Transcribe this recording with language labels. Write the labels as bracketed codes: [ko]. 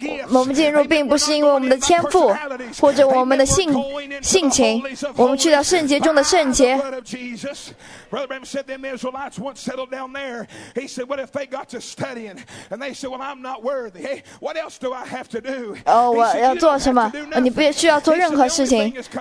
[zh] 我们进入并不是因为我们的天赋或者我们的性情我们去到圣洁中的圣洁 [en] Brother Bram said them Israelites once settled down there. He said, what if they got to studying? And they said, well, I'm not worthy. Hey, what else do I have to do? [zh] Oh, 我要做什么？你不需要做任何事情。